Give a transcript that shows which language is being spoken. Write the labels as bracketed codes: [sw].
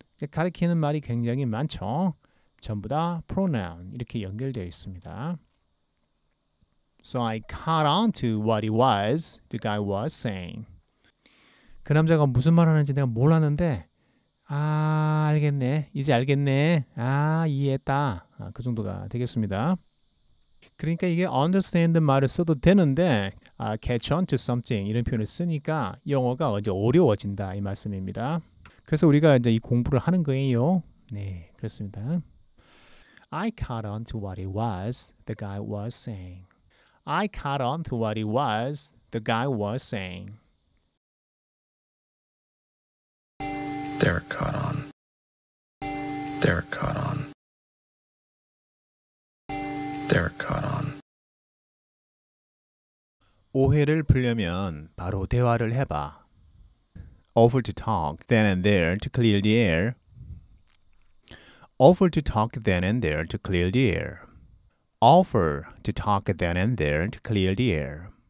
[ko] 가리키는 말이 굉장히 많죠. 전부 다 pronoun 이렇게 연결되어 있습니다. [en] So I caught on to what it was the guy was saying. [ko] 그 남자가 무슨 말 하는지 내가 몰랐는데 아 알겠네. 이제 알겠네. 아 이해했다. 아, 그 정도가 되겠습니다. 그러니까 이게 understand 말을 써도 되는데 [en] catch on to something [ko] 이런 표현을 쓰니까 영어가 이제 어려워진다 이 말씀입니다. 그래서 우리가 이제 이 공부를 하는 거예요. 네, 그렇습니다. [en] I caught on to what it was the guy was saying. I caught on to what it was the guy was saying. Derek caught on. Derek caught on. Derek caught on. [ko] 오해를 풀려면 바로 대화를 해봐. [en] Offer to talk then and there to clear the air. Offer to talk then and there to clear the air. Offer to talk then and there to clear the air.